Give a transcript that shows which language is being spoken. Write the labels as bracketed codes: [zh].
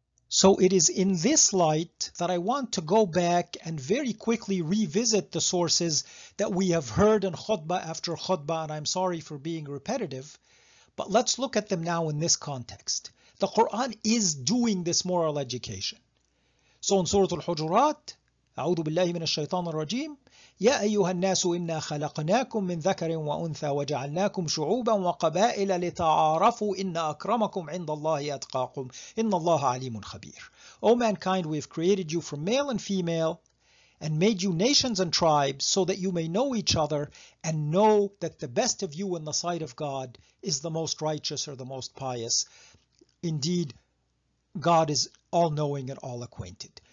[en] So it is in this light that I want to go back and very quickly revisit the sources that we have heard in khutbah after khutbah, and I'm sorry for being repetitive, but let's look at them now in this context. The Quran is doing this moral education. So in Surah Al-Hujurat, [ar] أعوذ بالله من الشيطان الرجيم يا أيها الناس إنا خلقناكم من ذكر وأنثى وجعلناكم شعوبا وقبائل لتعارفوا إن أكرمكم عند الله أتقاكم إن الله عليم خبير. [en] O mankind, we have created you from male and female and made you nations and tribes so that you may know each other and know that the best of you in the sight of God is the most righteous or the most pious. Indeed, God is all-knowing and all-acquainted.